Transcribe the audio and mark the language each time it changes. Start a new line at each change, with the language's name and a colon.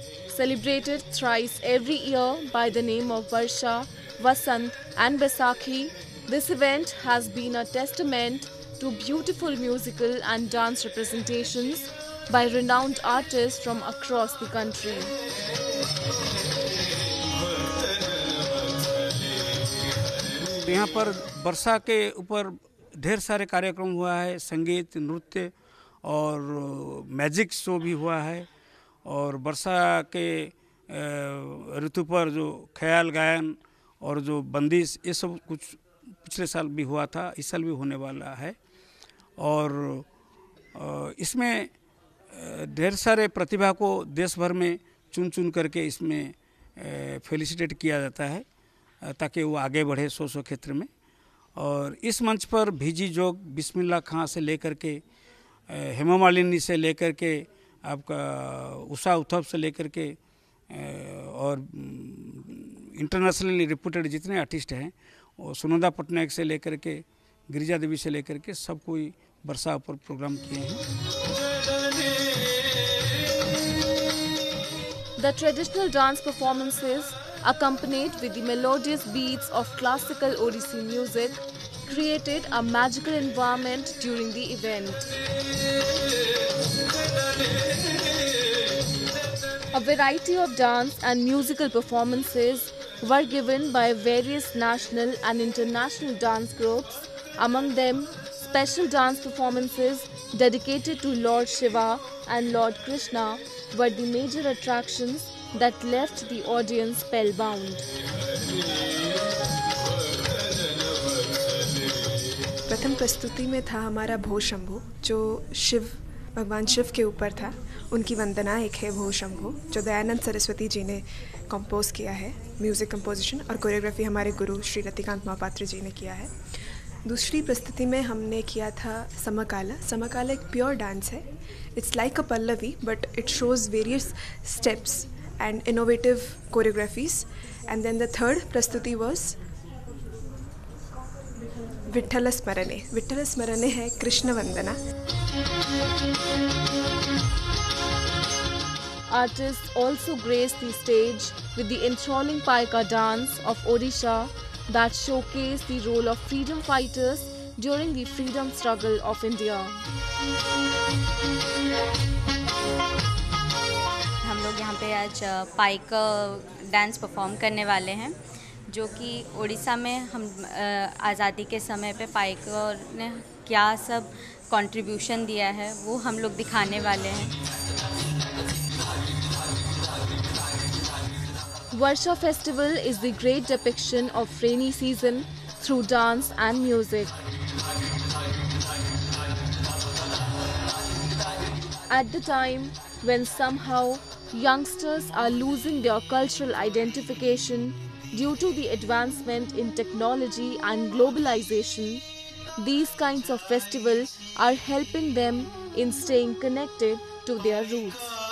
English: Celebrated thrice every year by the name of Varsha, Vasant and Baisakhi, this event has been a testament to beautiful musical and dance representations by renowned artists from across the country.
Hindi: यहाँ पर वर्षा के ऊपर ढेर सारे कार्यक्रम हुआ है, संगीत, नृत्य और मैजिक शो भी हुआ है और वर्षा के ऋतु पर जो ख्याल गायन और जो बंदिश, ये सब कुछ पिछले साल भी हुआ था, इस साल भी होने वाला है और इसमें ढेर सारे प्रतिभा को देश भर में चुन चुन करके इसमें फेलिसिटेट किया जाता है ताकि वो आगे बढ़े सो क्षेत्र में और इस मंच पर भिजी जोग बिस्मिल्ला खां से लेकर के हेमा मालिनी से लेकर के आपका उषा उत्थप से लेकर के और इंटरनेशनली रिप्यूटेड जितने आर्टिस्ट हैं और सुनंदा पटनायक से लेकर के गिरिजा देवी से लेकर के सब कोई वर्षा पर प्रोग्राम किए हैं।
English: The traditional dance performances, accompanied with the melodious beats of classical Odissi music, created a magical environment during the event. A variety of dance and musical performances were given by various national and international dance groups, among them special dance performances dedicated to Lord Shiva and Lord Krishna were the major attractions that left the audience spellbound.
Hindi: प्रथम प्रस्तुति में था हमारा भो शंभु जो शिव भगवान शिव के ऊपर था उनकी वंदना एक है भो शंभु जो दयानंद सरस्वती जी ने कंपोज किया है म्यूजिक कंपोजिशन और कोरियोग्राफी हमारे गुरु श्री रतिकांत महापात्र जी ने किया है दूसरी प्रस्तुति में हमने किया था समकाला समकाला एक प्योर डांस है
English: It's like a Pallavi but it shows various steps and innovative choreographies and then the third प्रस्तुति was Vitthal Smarane है Krishna Vandana artist also grace the stage with the enthralling Paika dance of Odisha that showcased the role of freedom fighters during the freedom struggle of India.
Hindi: हम लोग यहाँ पे आज Paika dance perform करने वाले हैं जो कि उड़ीसा में हम आज़ादी के समय पे पाइका ने क्या सब कंट्रीब्यूशन दिया है वो हम लोग दिखाने वाले हैं
English: Varsha festival is the great depiction of rainy season through dance and music. At the time when somehow youngsters are losing their cultural identification due to the advancement in technology and globalization, these kinds of festivals are helping them in staying connected to their roots.